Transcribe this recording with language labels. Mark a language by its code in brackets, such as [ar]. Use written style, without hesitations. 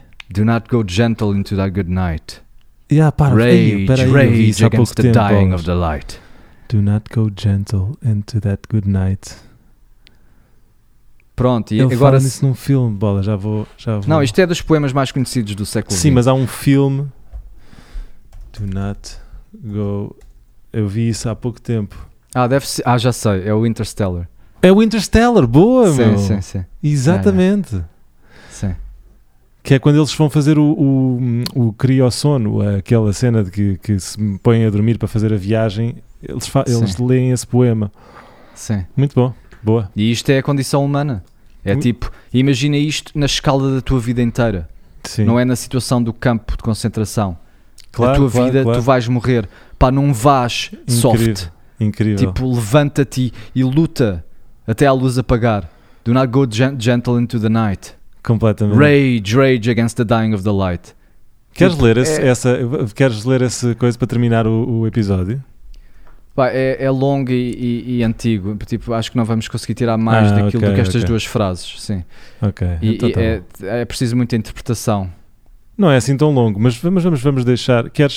[en] Do not go gentle into that good night. [pt] Yeah, para, [en] rage against the dying of the light. Do not go gentle into that good night. [pt] Pronto, ele agora fala nisso num filme, bola, já vou. Não, isto é dos poemas mais conhecidos do século XX. Sim, mas há um filme. [en] Do not go. [pt] Eu vi isso há pouco tempo. Ah, deve ser. Ah, já sei. É o Interstellar. É o Interstellar, boa, sim, meu. Sim, sim. Exatamente. Yeah. Sim. Que é quando eles vão fazer o criossono, aquela cena de que se põem a dormir para fazer a viagem, eles leem esse poema. Sim. Muito bom, boa. E isto é a condição humana. É tipo, imagina isto na escala da tua vida inteira. Sim. Não é na situação do campo de concentração. Claro, a tua claro, vida, claro. Tu vais morrer. Pá, não vás incrível, soft. Incrível. Tipo, levanta-te e luta até a luz apagar. [en] Do not go gentle into the night. [pt] Completamente. [en] Rage against the dying of the light. [pt] Queres tipo, ler queres ler essa coisa para terminar o episódio? Pá, é longo e antigo. Tipo, acho que não vamos conseguir tirar mais daquilo do que estas duas frases. Sim. Ok. É preciso muita interpretação. Não é assim tão longo, mas vamos deixar.